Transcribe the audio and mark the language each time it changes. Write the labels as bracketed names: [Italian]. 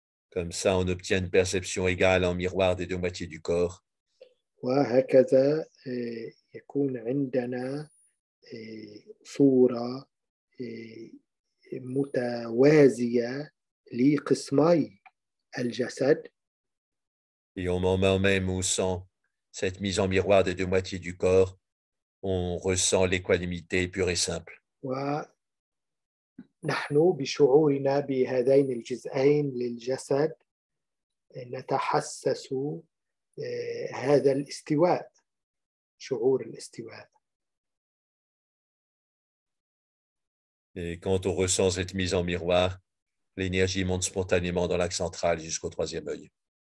[French] Comme ça, on obtient une perception égale en miroir des deux moitiés du corps. [Arabic] وهكذا يكون عندنا صورة متوازية لقسمي الجسد. [French] Et on moment même où sans cette mise en miroir des deux moitiés du corps, on ressent l'équanimité pure et simple. [Arabic] نحن بشعورنا بهذين الجزئين للجسد نتحسس هذا الاستواء شعور الاستواء. [French] Et quand on ressent cette mise en miroir, l'énergie monte spontanément dans l'axe central jusqu'au troisième œil.